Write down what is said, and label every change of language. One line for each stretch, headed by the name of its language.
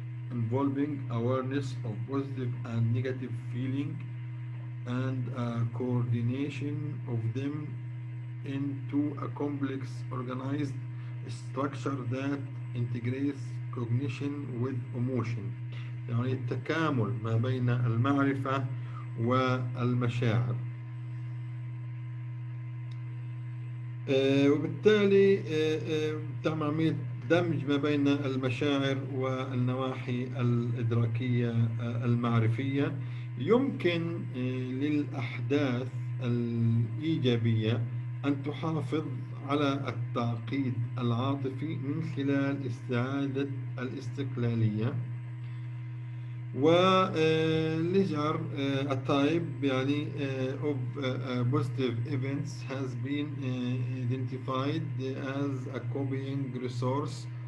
English: Involving awareness of positive and negative feeling and a coordination of them into a complex organized structure that integrates cognition with emotion.
Arabic: يعني التكامل ما بين المعرفة والمشاعر. وبالتالي تم عملية دمج ما بين المشاعر والنواحي الإدراكية المعرفية. يمكن للأحداث الإيجابية أن تحافظ على التعقيد العاطفي من خلال استعادة الاستقلالية. وليجر التايب يعني
English: of positive events has been identified as a copying resource.